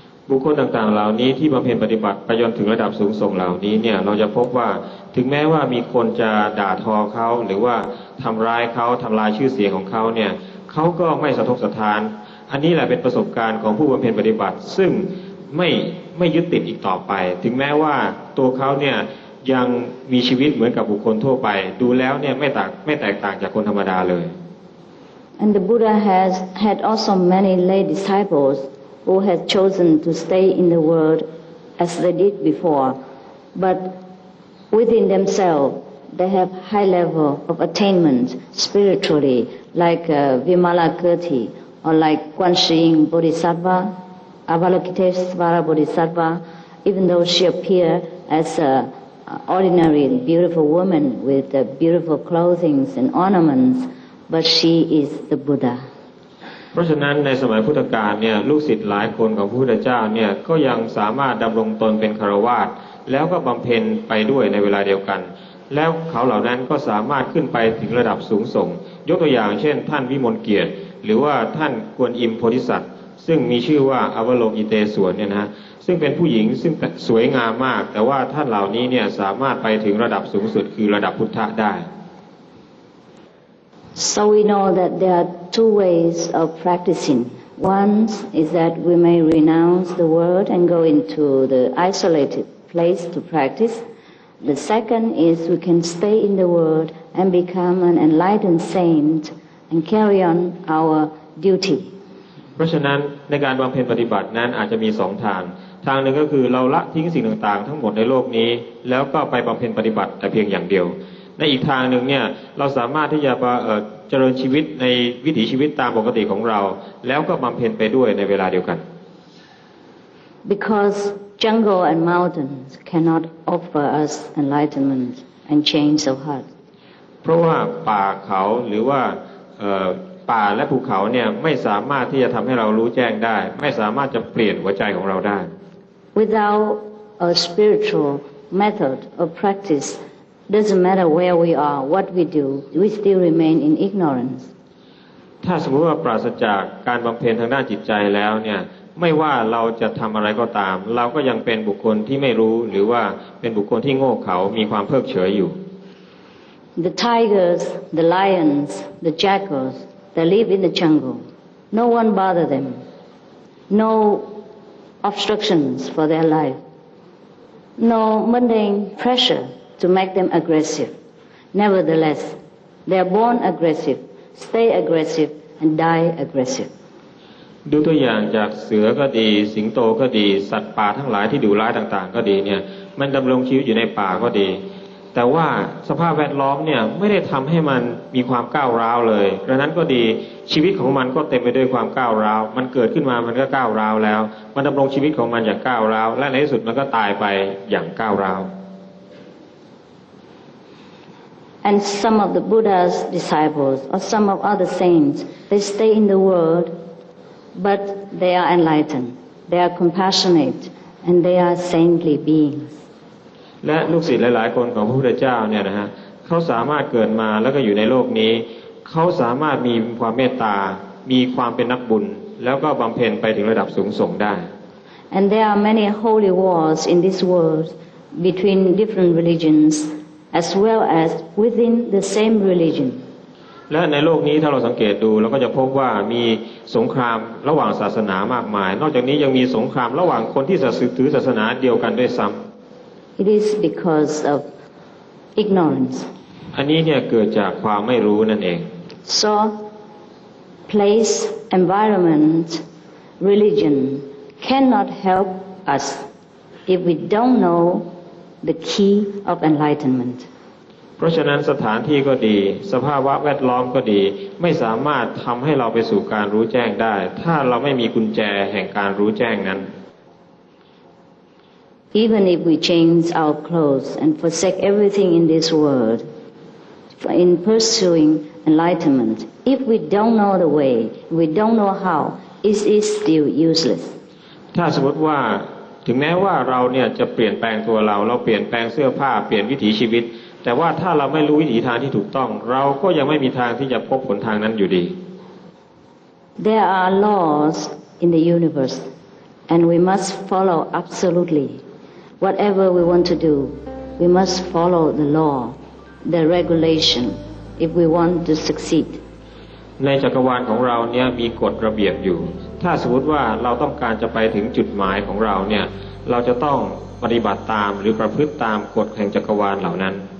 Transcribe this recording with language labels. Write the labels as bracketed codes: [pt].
[th] บุคคลต่างๆเหล่านี้ที่บำเพ็ญปฏิบัติไปจนถึงระดับสูงส่งเหล่านี้เนี่ยเราจะพบว่าถึงแม้ว่ามีคนจะด่าทอเขาหรือว่าทำร้ายเขาทำลายชื่อเสียงของเขาเนี่ยเขาก็ไม่สะทกสะท้านอันนี้แหละเป็นประสบการณ์ของผู้บำเพ็ญปฏิบัติซึ่งไม่ยึดติดอีกต่อไปถึงแม้ว่าตัวเขาเนี่ยยังมีชีวิตเหมือนกับบุคคลทั่วไปดูแล้วเนี่ยไม่แตกต่างจากคนธรรมดาเลย [en] And the Buddha has had also many lay disciplesWho had chosen to stay in the world as they did before, but within themselves they have high level of attainment spiritually, like Vimalakirti or like Guanxing Bodhisattva, Avalokiteshvara Bodhisattva, even though she appeared as an ordinary beautiful woman with beautiful clothing and ornaments, but she is the Buddha. [th] เพราะฉะนั้นในสมัยพุทธกาลเนี่ยลูกศิษย์หลายคนของพระพุทธเจ้าเนี่ยก็ยังสามารถดำรงตนเป็นคารวาสแล้วก็บำเพ็ญไปด้วยในเวลาเดียวกันแล้วเขาเหล่านั้นก็สามารถขึ้นไปถึงระดับสูงส่งยกตัวอย่างเช่นท่านวิมลเกียรติหรือว่าท่านกวนอิมโพธิสัตว์ซึ่งมีชื่อว่าอวโลกิเตศวรเนี่ยนะซึ่งเป็นผู้หญิงซึ่งสวยงามมากแต่ว่าท่านเหล่านี้เนี่ยสามารถไปถึงระดับสูงสุดคือระดับพุทธะได้ [en] So we know that there are two ways of practicing. One is that we may renounce the world and go into the isolated place to practice. The second is we can stay in the world and become an enlightened saint and carry on our duty. [th] เพราะฉะนั้นในการบำเพ็ญปฏิบัตินั้นอาจจะมีสองทางทางหนึ่งก็คือเราละทิ้งสิ่งต่างๆทั้งหมดในโลกนี้แล้วก็ไปบำเพ็ญปฏิบัติแต่เพียงอย่างเดียวในอีกทางหนึ่งเนี่ยเราสามารถที่จะเจริญชีวิตในวิถีชีวิตตามปกติของเราแล้วก็บำเพ็ญไปด้วยในเวลาเดียวกัน [en] Because jungle and mountains cannot offer us enlightenment and change of heart [th] เพราะว่าป่าเขาหรือว่าป่าและภูเขาเนี่ยไม่สามารถที่จะทำให้เรารู้แจ้งได้ไม่สามารถจะเปลี่ยนหัวใจของเราได้ [en] Without a spiritual method or practiceDoesn't matter where we are, what we do, we still remain in ignorance. [th] ถ้าสมมติว่าปราศจากการบำเพ็ญทางด้านจิตใจแล้วเนี่ยไม่ว่าเราจะทำอะไรก็ตามเราก็ยังเป็นบุคคลที่ไม่รู้หรือว่าเป็นบุคคลที่โง่เขามีความเพิกเฉยอยู่ [en] The tigers, the lions, the jackals, they live in the jungle. No one bother them. No obstructions for their life. No mundane pressure. To make them aggressive. Nevertheless, they are born aggressive, stay aggressive, and die aggressive. [th] ดูตัวอย่างจากเสือก็ดีสิงโตก็ดีสัตว์ป่าทั้งหลายที่ดุร้ายต่างๆก็ดีเนี่ยมันดำรงชีวิตอยู่ในป่าก็ดีแต่ว่าสภาพแวดล้อมเนี่ยไม่ได้ทำให้มันมีความก้าวร้าวเลยดังนั้นก็ดีชีวิตของมันก็เต็มไปด้วยความก้าวร้าวมันเกิดขึ้นมามันก็ก้าวร้าวแล้วมันดำรงชีวิตของมันอย่างก้าวร้าวและในที่สุดมันก็ตายไปอย่างก้าวร้าว [en] And some of the Buddha's disciples, or some of other saints, they stay in the world, but they are enlightened, they are compassionate, And they are saintly beings. [th] และลูกศิษย์หลายๆคนของพระพุทธเจ้าเนี่ยนะฮะเขาสามารถเกิดมาแล้วก็อยู่ในโลกนี้เขาสามารถมีความเมตตามีความเป็นนักบุญแล้วก็บำเพ็ญไปถึงระดับสูงส่งได้ [en] And there are many holy wars in this world between different religions as well as within the same religion [th] และในโลกนี้ถ้าเราสังเกตดูเราก็จะพบว่ามีสงครามระหว่างศาสนามากมายนอกจากนี้ยังมีสงครามระหว่างคนที่ศรัทธาถือศาสนาเดียวกันด้วยซ้ำ [en] It is because of ignorance [th] อันนี้เนี่ยเกิดจากความไม่รู้นั่นเอง [en] So place environment religion cannot help us if we don't know the key of enlightenment [th] เพราะฉะนั้นสถานที่ก็ดีสภาพแวดล้อมก็ดีไม่สามารถทําให้เราไปสู่การรู้แจ้งได้ถ้าเราไม่มีกุญแจแห่งการรู้แจ้งนั้น [en] Even if we change our clothes and forsake everything in this world in pursuing enlightenment if we don't know the way we don't know how it is still useless [th] ถ้าสมมติว่าถึงแม้ว่าเราเนี่ยจะเปลี่ยนแปลงตัวเราเราเปลี่ยนแปลงเสื้อผ้าเปลี่ยนวิถีชีวิตแต่ว่าถ้าเราไม่รู้วิถีทางที่ถูกต้องเราก็ยังไม่มีทางที่จะพบผลทางนั้นอยู่ดี [en] There are laws in the universe and we must follow absolutely whatever we want to do we must follow the law the regulation if we want to succeed [th] ในจักรวาลของเราเนี่ยมีกฎระเบียบอยู่ถ้าสมมติว่าเราต้องการจะไปถึงจุดหมายของเราเนี่ยเราจะต้องปฏิบัติตามหรือประพฤติตามกฎแห่งจักรวาลเหล่านั้น